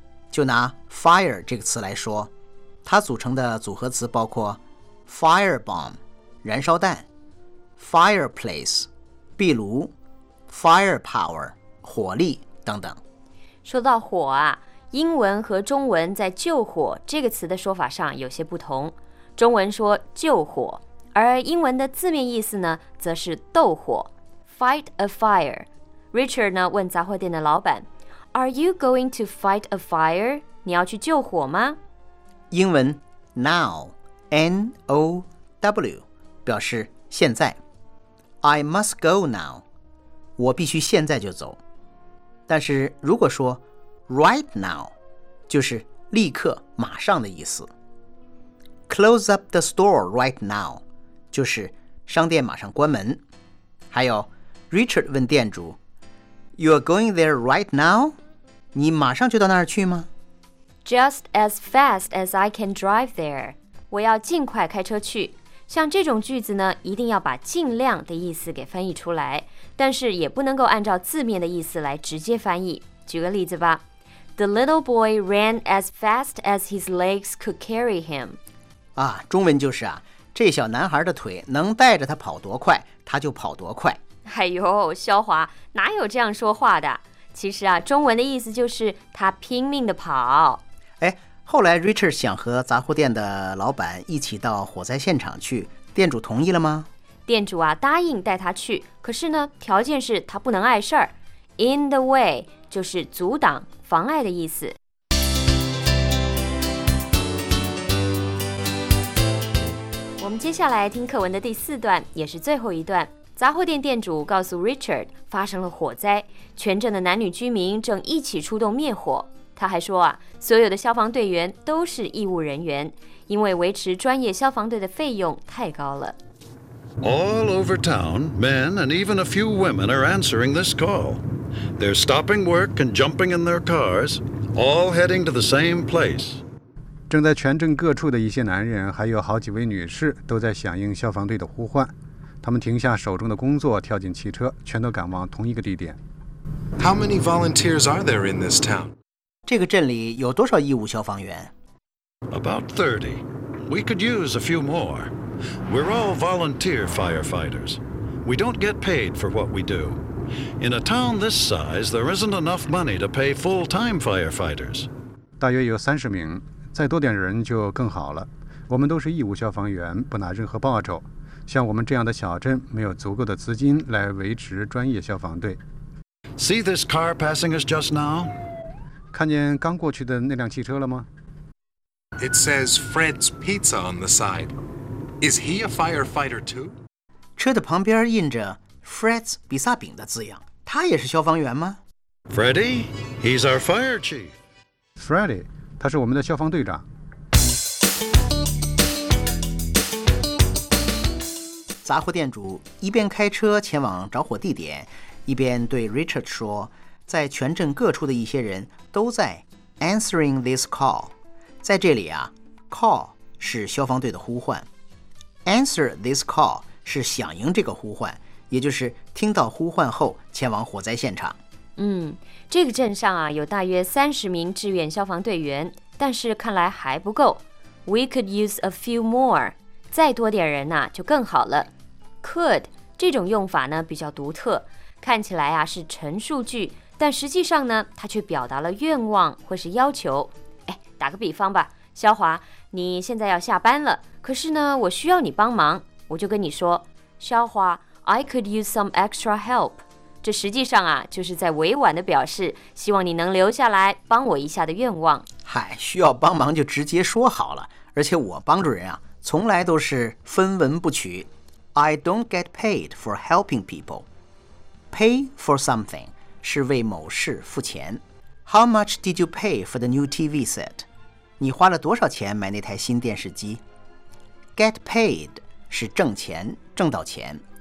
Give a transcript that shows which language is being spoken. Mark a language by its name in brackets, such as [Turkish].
[Chinese] 就拿 fire 这个词来说，它组成的组合词包括 firebomb 燃烧弹、 fireplace 壁炉、 firepower 火力等等。说到火啊，英文和中文在救火这个词的说法上有些不同，中文说救火，而英文的字面意思呢，则是斗火 Fight a fire。 Richard 呢问杂货店的老板， [English] Are you going to fight a fire? [Chinese] 你要去救火吗？英文 now N-O-W 表示现在， [English] I must go now， [Chinese] 我必须现在就走。但是如果说 right now， 就是立刻马上的意思。 [English] Close up the store right now， [Chinese] 就是商店马上关门。还有 Richard 问店主， [English] You're going there right now? [Chinese] 你马上就到那儿去吗？ [English] Just as fast as I can drive there， [Chinese] 我要尽快开车去。像这种句子呢，一定要把尽量的意思给翻译出来，但是也不能够按照字面的意思来直接翻译。举个例子吧， [English] The little boy ran as fast as his legs could carry him。 [Chinese] 啊，中文就是啊，这小男孩的腿能带着他跑多快他就跑多快。哎呦，萧华，哪有这样说话的。其实啊，中文的意思就是他拼命的跑。哎，后来 Richard 想和杂货店的老板一起到火灾现场去，店主同意了吗？店主啊，答应带他去，可是呢，条件是他不能碍事儿。 In the way 就是阻挡妨碍的意思。我们接下来听课文的第四段，也是最后一段。杂货店店主告诉 Richard 发生了火灾，全镇的男女居民正一起出动灭火。他还说啊，所有的消防队员都是义务人员，因为维持专业消防队的费用太高了。 [English] All over town, men and even a few women are answering this call. They're stopping work and jumping in their cars, all heading to the same place. [Chinese] 正在全镇各处的一些男人还有好几位女士都在响应消防队的呼唤，他们停下手中的工作，跳进汽车，全都赶往同一个地点。 [English] How many volunteers are there in this town? [Chinese] 这个镇里有多少义务消防员？ [English] About 30. We could use a few more. We're all volunteer firefighters. We don't get paid for what we do. In a town this size, there isn't enough money to pay full-time firefighters. [Chinese] 大约有30名，再多点人就更好了。我们都是义务消防员，不拿任何报酬。像我们这样的小镇，没有足够的资金来维持专业消防队。 [English] See this car passing us just now? [Chinese] 看见刚过去的那辆汽车了吗？ [English] It says Fred's Pizza on the side. Is he a firefighter too? [Chinese] 车的旁边印着 Fred's 比萨饼的字样，他也是消防员吗？ [English] Freddy, he's our fire chief. [Chinese] Freddy. 他是我们的消防队长。杂货店主一边开车前往着火地点，一边对 Richard 说，在全镇各处的一些人都在 answering this call。在这里啊， call 是消防队的呼唤， answer this call 是响应这个呼唤，也就是听到呼唤后前往火灾现场。嗯，这个镇上啊有大约30名志愿消防队员，但是看来还不够。 [English] We could use a few more， [Chinese] 再多点人啊就更好了。 Could 这种用法呢比较独特，看起来啊是陈述句，但实际上呢它却表达了愿望或是要求。哎，打个比方吧，萧华，你现在要下班了，可是呢我需要你帮忙，我就跟你说，萧华， [English] I could use some extra help。 [Chinese] 这实际上啊，就是在委婉地表示希望你能留下来帮我一下的愿望。嗨，需要帮忙就直接说好了，而且我帮助人啊，从来都是分文不取。 [English] I don't get paid for helping people. Pay for something [Chinese] 是为某事付钱。 [English] How much did you pay for the new TV set? [Chinese] 你花了多少钱买那台新电视机？Get paid 是挣钱，挣到钱。